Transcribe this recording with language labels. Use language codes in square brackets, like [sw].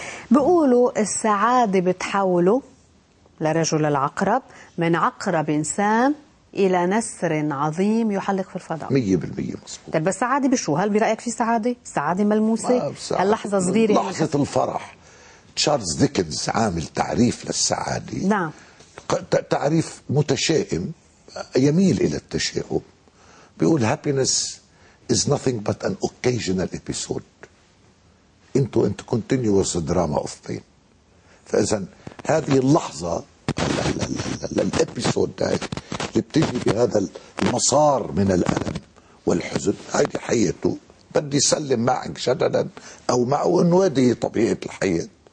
[ar] بيقولوا السعادة بتحوله لرجل العقرب من عقرب إنسان إلى نسر عظيم يحلق في الفضاء. 100% مصبوط. طيب بس سعادة بشو؟ هل برأيك في سعادة؟ سعادة ملموسة؟ اللحظة صغيرة؟ لحظة الفرح. تشارلز ديكنز عامل تعريف للسعادة. نعم. تعريف متشائم يميل إلى التشاؤم. بيقول [en] happiness is nothing but an occasional episode into a continuous drama of pain. [ar] فإذا هذه اللحظة الابيسود اللي بتجي بهذا المسار من الألم والحزن هذه حياته، بدي سلم معك شددا أو معه أنه هذه طبيعة الحياة.